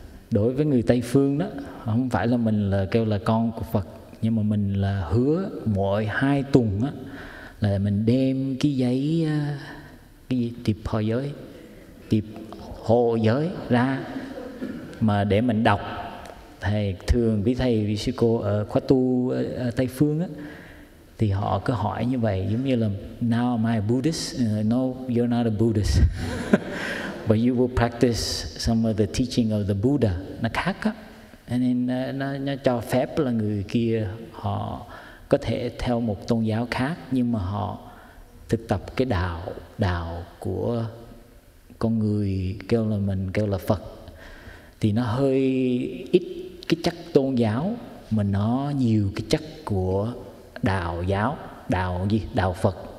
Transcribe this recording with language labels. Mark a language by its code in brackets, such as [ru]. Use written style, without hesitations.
[vi] Đối với người Tây Phương đó, không phải là mình là kêu là con của Phật, nhưng mà mình là hứa mỗi hai tuần đó, là mình đem cái giấy, cái gì, tiệp hồ giới, tiệp hồ giới ra, mà để mình đọc. Thầy thường với thầy với sư cô ở khóa tu ở Tây Phương á, thì họ cứ hỏi như vậy, giống như là [en] now am I a Buddhist? No, you're not a Buddhist. But you will practice some of the teaching of the Buddha. [vi] Nó khác á. Nên nó cho phép là người kia họ có thể theo một tôn giáo khác, nhưng mà họ thực tập cái đạo của con người kêu là mình kêu là Phật. Thì nó hơi ít cái chất tôn giáo, mà nó nhiều cái chất của đạo giáo, đạo gì, đạo Phật.